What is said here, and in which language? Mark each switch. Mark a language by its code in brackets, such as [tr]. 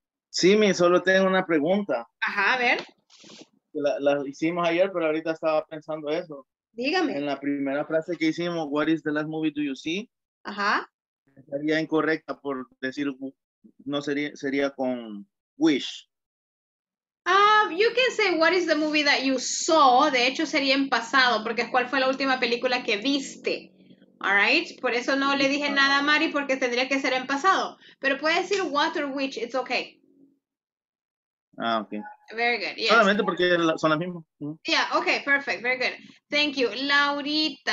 [es] Sí, mi, solo tengo una pregunta. Ajá, a ver. La hicimos ayer, pero ahorita estaba pensando eso. Dígame. En la primera frase que hicimos, [en] what is the last movie do you see? Ajá. [es] Sería incorrecta por decir, no sería con wish. [en] You can say, what is the movie that you saw? [es] De hecho, sería en pasado, porque es cuál fue la última película que viste. [en] All right? [es] Por eso no le dije nada a Mari, porque tendría que ser en pasado. Pero puede decir [en] what or which, it's okay. Ah, okay. Very good, yes. [es] Solamente porque son las mismas. [en] Mm-hmm. Yeah, okay, perfect, very good. Thank you. Laurita.